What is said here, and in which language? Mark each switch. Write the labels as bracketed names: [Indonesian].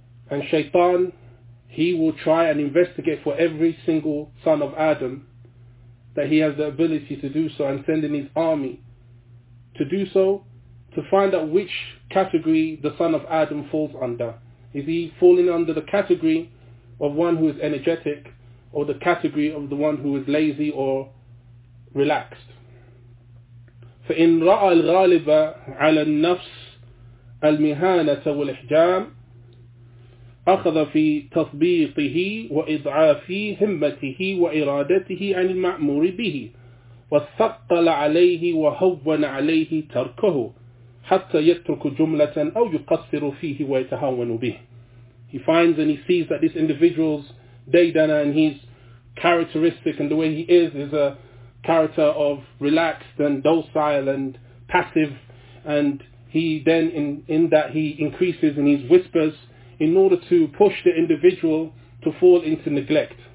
[English] And shaitan, he will try and investigate for every single son of Adam that he has the ability to do so, and send in his army to do so, to find out which category the son of Adam falls under. Is he falling under the category of one who is energetic, or the category of the one who is lazy or relaxed? [Arabic] فَإِنْ رَأَى الْغَالِبَ عَلَى النَّفْسِ الْمِهَانَةَ وَالْإِحْجَامِ أخذ في تطبيقه وإضعاف همته وإرادته عن المأمور به وثقل عليه وهون عليه تركه حتى يترك جملة أو يقصر فيه ويتهون به. [English] He finds and he sees that this individual's daydana and his characteristic and the way he is a character of relaxed and docile and passive, and he then in that he increases in his whispers in order to push the individual to fall into neglect,